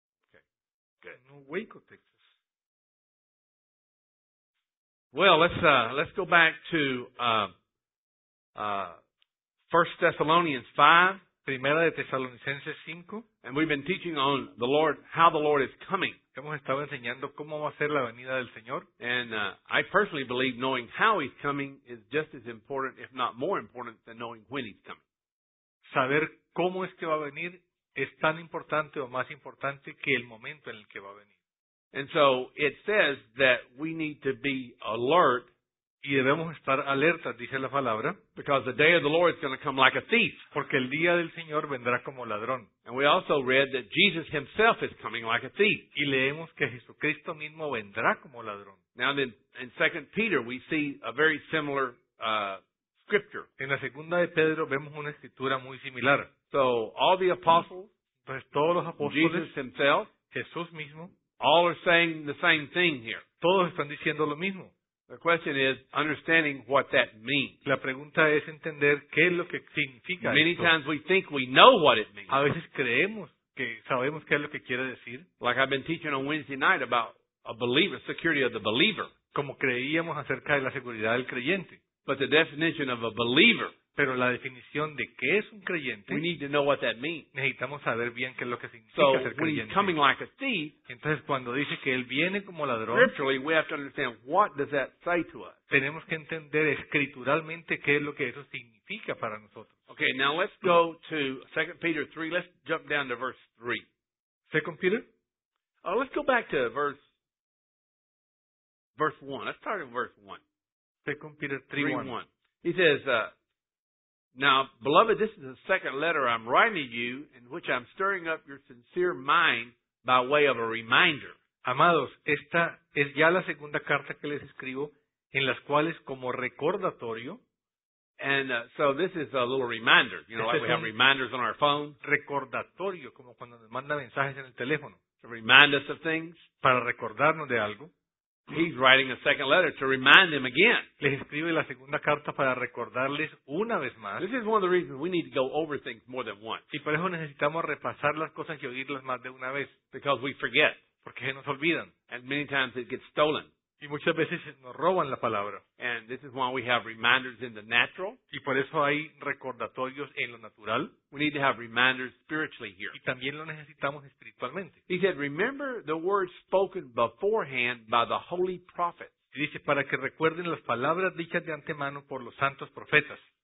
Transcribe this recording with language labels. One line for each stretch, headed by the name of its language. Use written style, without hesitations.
English: Okay. Good. No Waco, Texas. Well, let's go back to 1 Thessalonians 5.
Spanish: Primera de Tesalonicenses 5.
English: And we've been teaching on the Lord, how the Lord is coming.
Spanish: Hemos estado enseñando cómo va a ser la venida del Señor.
English: And I personally believe knowing how He's coming is just as important, if not more important, than knowing when He's coming.
Spanish: Saber cómo es que va a venir es tan importante o más importante que el momento en el que va a venir.
English: And so it says that we need to be alert.
Spanish: Y debemos estar alertas, dice la palabra.
English: Because the day of the Lord is going to come like a thief.
Spanish: Porque el día del Señor vendrá como ladrón.
English: And we also read that Jesus himself is coming like a thief.
Spanish: Y leemos que Jesucristo mismo vendrá como ladrón.
English: Now in 2 Peter we see a very similar scripture.
Spanish: En la segunda de Pedro vemos una escritura muy similar.
English: So all the apostles,
Spanish: pues todos los apóstoles,
English: Jesus himself,
Spanish: Jesús mismo,
English: all are saying the same thing here.
Spanish: Todos están diciendo lo mismo.
English: The question is understanding what that means.
Spanish: La pregunta es entender qué es lo que significa.
English: Many
Spanish: esto.
English: Times we think we know what it means.
Spanish: A veces creemos que sabemos qué es lo que quiere decir.
English: Like I've been teaching on Wednesday night about a believer, security of the believer.
Spanish: Como creíamos acerca de la seguridad del creyente.
English: But the definition of a believer.
Spanish: Pero la definición de qué es un creyente.
English: We need to know what that means.
Spanish: Necesitamos saber bien qué es lo que significa
English: so,
Spanish: ser creyente.
English: When he's coming like a thief,
Spanish: entonces cuando dice que él viene como ladrón.
English: Scripturally, we have to understand what does that say to us.
Spanish: Tenemos que entender escrituralmente qué es lo que eso significa para nosotros.
English: Okay, now let's go to 2 Peter 3. Let's jump down to verse 3. 2 Peter? Let's go back to verse 1. Let's start in verse 1. 2 Peter 3:1. He says, now, beloved, this is the second letter I'm writing to you, in which I'm stirring up your sincere mind by way of a reminder.
Spanish: Amados, esta es ya la segunda carta que les escribo, en las cuales como recordatorio.
English: And so this is a little reminder, you know,
Spanish: este
English: like we have reminders on our phone.
Spanish: Recordatorio, como cuando nos manda mensajes en el teléfono.
English: To remind us of things.
Spanish: Para recordarnos de algo.
English: He's writing a second letter to remind them again.
Spanish: Les escribe la segunda carta para recordarles una vez más.
English: This is one of the reasons we need to go over things more than once.
Spanish: Y por eso necesitamos repasar las cosas y oírlas más de una vez.
English: Because we forget.
Spanish: Porque se nos olvidan.
English: And many times it gets stolen.
Spanish: Y muchas veces nos roban la palabra.
English: And this is why we have reminders in the natural.
Spanish: Y por eso hay recordatorios en lo natural.
English: We need to have reminders spiritually here.
Spanish: Y también lo necesitamos espiritualmente.
English: He said, remember the words spoken beforehand by the holy prophets.
Spanish: Y dice, para que recuerden las palabras dichas de antemano por los santos profetas.